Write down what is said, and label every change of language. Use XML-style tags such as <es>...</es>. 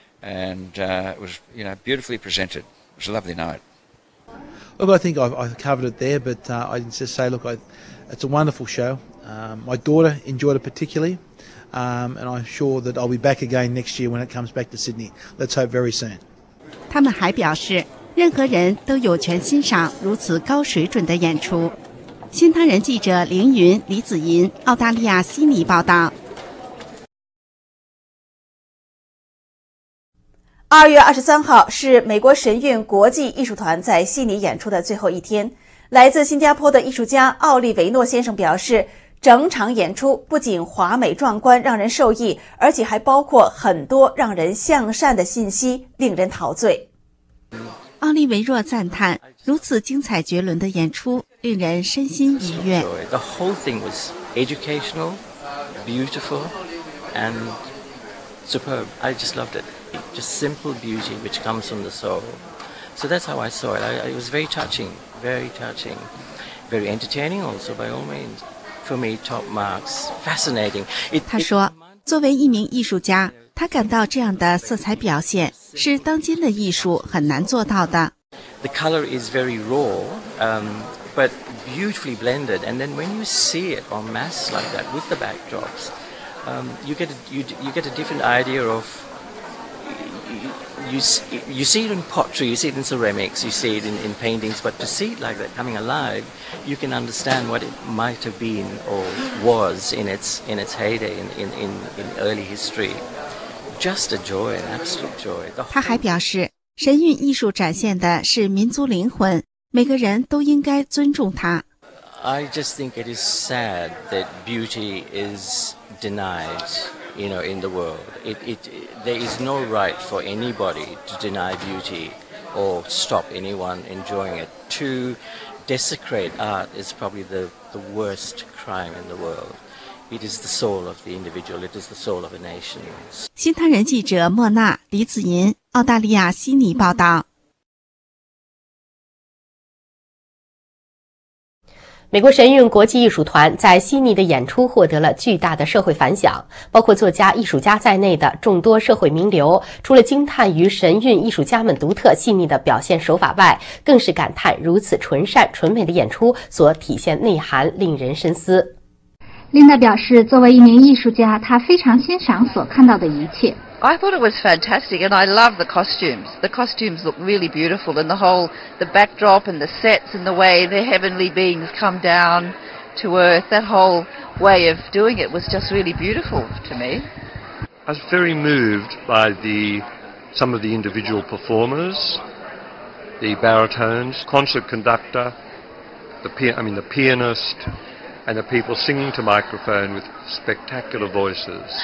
<en>And it was, you know, beautifully presented. It was a lovely night. Look, I think I've covered it there, but I just say, look, it's a wonderful show. My daughter enjoyed it particularly, and I'm sure that I'll be back again next year when it comes back to Sydney. Let's hope very soon.</en> <zh>他们还表示，任何人都有权欣赏如此高水准的演出。新唐人记者凌云、李子吟，澳大利亚悉尼报道。 2月23号是美国神韵国际艺术团在悉尼演出的最后一天。来自新加坡的艺术家奥利维诺先生表示，整场演出不仅华美壮观，让人受益，而且还包括很多让人向善的信息，令人陶醉。奥利维诺赞叹，如此精彩绝伦的演出，令人身心愉悦。</zh> <en>The whole thing was educational, beautiful, and superb. I just loved it. Just simple beauty which comes from the soul. So that's how I saw it. It was very touching, very touching, very entertaining also by all means. For me, top marks. Fascinating.</en> <zh>他说，作为一名艺术家，他感到这样的色彩表现是当今的艺术很难做到的。</zh> <en>The color is very raw, but beautifully blended. And then when you see it en masse like that with the backdrops, you get a different idea of. You see it in pottery, you see it in ceramics, you see it in paintings, but to see it like that coming alive, you can understand what it might have been or was in its heyday in early history. Just a joy, an absolute joy.</en> <zh>他还表示，神韵艺术展现的是民族灵魂，每个人都应该尊重它。</zh> <en>I just think it is sad that beauty is denied. You know, in the world, there is no right for anybody to deny beauty or stop anyone enjoying it. To desecrate art is probably the worst crime in the world. It is the soul of the individual. It is the soul of a nation.</en> <zh>新唐人记者莫娜、李子吟，澳大利亚悉尼报道。美国神韵国际艺术团在悉尼的演出获得了巨大的社会反响，包括作家、艺术家在内的众多社会名流，除了惊叹于神韵艺术家们独特细腻的表现手法外，更是感叹如此纯善纯美的演出所体现内涵令人深思。琳达表示，作为一名艺术家，她非常欣赏所看到的一切。</zh> <en>I thought it was fantastic, and I love the costumes. The costumes look really beautiful, and the backdrop and the sets and the way the heavenly beings come down to earth, that whole way of doing it was just really beautiful to me. I was very moved by some of the individual performers, the baritones, concert conductor, the pianist, and the people singing to microphone with spectacular voices.</en>